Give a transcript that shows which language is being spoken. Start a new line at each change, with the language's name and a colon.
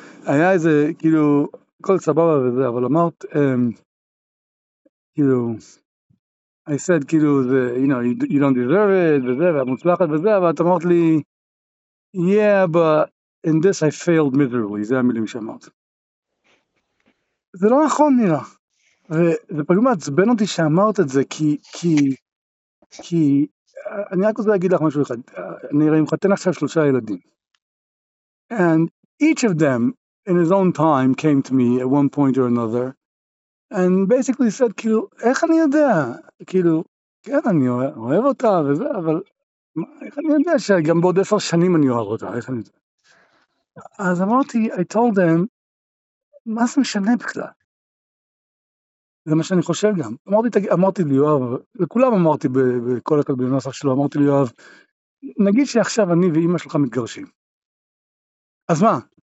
Hebrew: היה איזה, כאילו, הכל סבבה וזה, אבל אמרת, כאילו,
English: I said,
Hebrew: כאילו,
English: the, you know, you don't deserve it,
Hebrew: וזה, ואת מוצלחת וזה, אבל את אמרת לי,
English: yeah, but in this I failed miserably,
Hebrew: זה המילים שאמרת. זה לא נכון, נראה. וזה פשוט מעצבן אותי שאמרת את זה, כי אני רק רוצה להגיד לך משהו אחד. אני רואה, אם חתן עכשיו שלושה ילדים.
English: And each of them, in his own time, came to me at one point or another, and basically said,
Hebrew: כאילו, איך אני יודע? כאילו, כן, אני אוהב אותה וזה, אבל איך אני יודע שגם בעוד 10 שנים אני אוהב אותה, איך אני יודע? אז אמרתי,
English: I told them,
Hebrew: מה זה משנה בכלל? זה מה שאני חושב גם. אמרתי ליואב, לכולם אמרתי בכל הכל בנוסח שלו, אמרתי ליואב, נגיד שעכשיו אני ואימא שלך מתגרשים. אז מה?